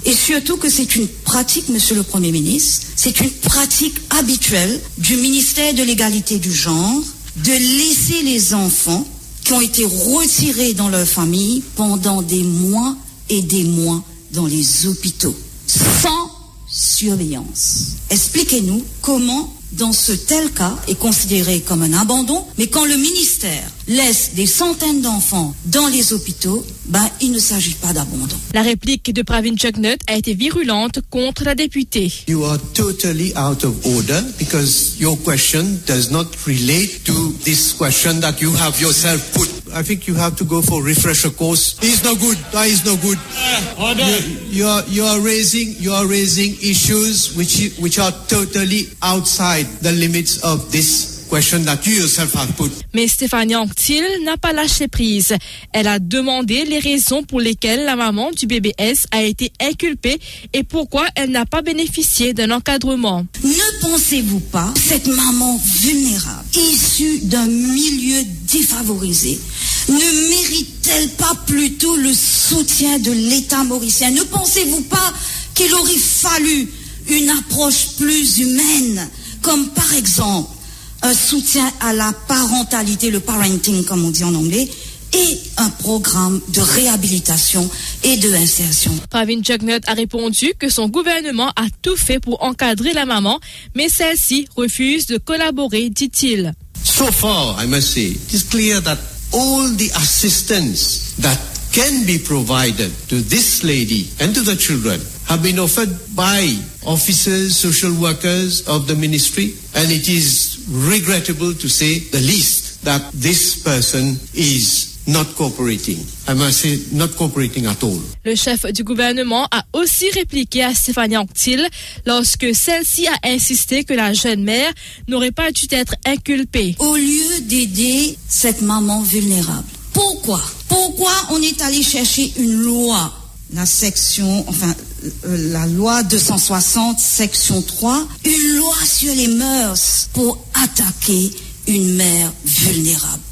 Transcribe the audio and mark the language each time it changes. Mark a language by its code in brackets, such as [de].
[fr] Et surtout que c'est une pratique, monsieur le Premier ministre, c'est une pratique habituelle du ministère de l'égalité du genre de laisser les enfants qui ont été retirés dans leur famille pendant des mois et des mois dans les hôpitaux, sans surveillance. Expliquez-nous comment, dans ce tel cas, est considéré comme un abandon, mais quand le ministère laisse des centaines d'enfants dans les hôpitaux, ben, il ne s'agit pas d'abandon. La réplique de Pravin Jugnauth a été virulente contre la députée. [en] You are totally out of order because your question does not relate to this question that you have yourself put. I think you have to go for a refresher course. He's no good. That is no good. You are raising issues which are totally outside the limits of this question that you yourself have put. [fr] Mais Stéphanie Anctil n'a pas lâché prise. Elle a demandé les raisons pour lesquelles la maman du bébé S a été inculpée et pourquoi elle n'a pas bénéficié d'un encadrement. Ne pensez-vous pas cette maman vulnérable, issue d'un milieu défavorisé, ne mérite-t-elle pas plutôt le soutien de l'État mauricien? Ne pensez-vous pas qu'il aurait fallu une approche plus humaine, comme par exemple un soutien à la parentalité, le parenting comme on dit en anglais, et un programme de réhabilitation et de insertion? Pravin Jugnauth a répondu que son gouvernement a tout fait pour encadrer la maman, mais celle-ci refuse de collaborer, dit-il. [en] So far, I must say, it is clear that all the assistance that can be provided to this lady and to the children have been offered by officers, social workers of the ministry. And it is regrettable to say the least that this person is not cooperating. I must say, not cooperating at all. [fr] Le chef du gouvernement a aussi répliqué à Stéphanie Anctil lorsque celle-ci a insisté que la jeune mère n'aurait pas dû être inculpée. Au lieu d'aider cette maman vulnérable, pourquoi? Pourquoi on est allé chercher une loi, la loi 260, section 3, une loi sur les mœurs pour attaquer une mère vulnérable?